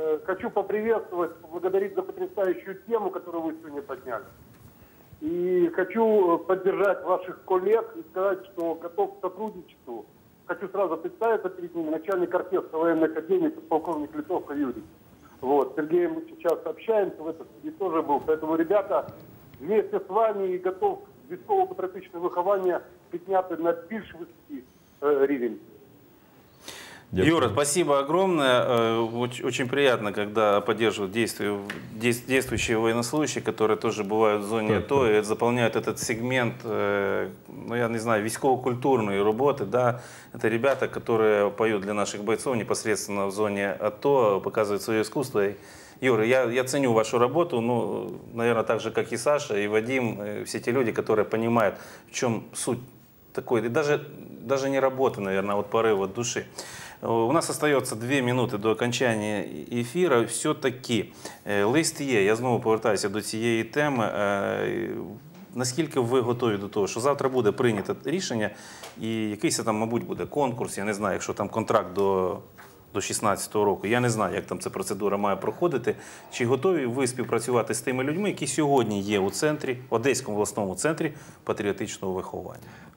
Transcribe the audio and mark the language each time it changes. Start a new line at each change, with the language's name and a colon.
Russian: Хочу поприветствовать, поблагодарить за потрясающую тему, которую вы сегодня подняли. И хочу поддержать ваших коллег и сказать, что готов к сотрудничеству. Хочу сразу представиться перед ними, начальник оркестра военной академии, подполковник Литовка Юрий. Вот, Сергей, мы сейчас общаемся, в этой студии тоже был. Поэтому, ребята, вместе с вами и готов к
Ukrainian: військово-патріотичному вихованню підняти на більш високий рівень.
Russian: Юра, спасибо огромное. Очень приятно, когда поддерживают действующие военнослужащие, которые тоже бывают в зоне АТО и заполняют этот сегмент, ну, я не знаю, військово-культурной работы. Да? Это ребята, которые поют для наших бойцов непосредственно в зоне АТО, показывают свое искусство. Юра, я ценю вашу работу, ну, наверное, так же, как и Саша, и Вадим, и все те люди, которые понимают, в чем суть такой, и даже не работы, наверное, а вот порыва души. У нас остается 2 минуты до окончания эфира.
Ukrainian: Все-таки лист є. Я знову повертаюся до цієї теми. Наскільки ви готові до того, що завтра буде прийнято рішення і якийсь там, мабуть, буде конкурс, я не знаю, якщо там контракт до 16-го року. Я не знаю, як там ця процедура має проходити. Чи готові ви співпрацювати з тими людьми, які сьогодні є у центрі, Одеському обласному центрі патріотичного виховання?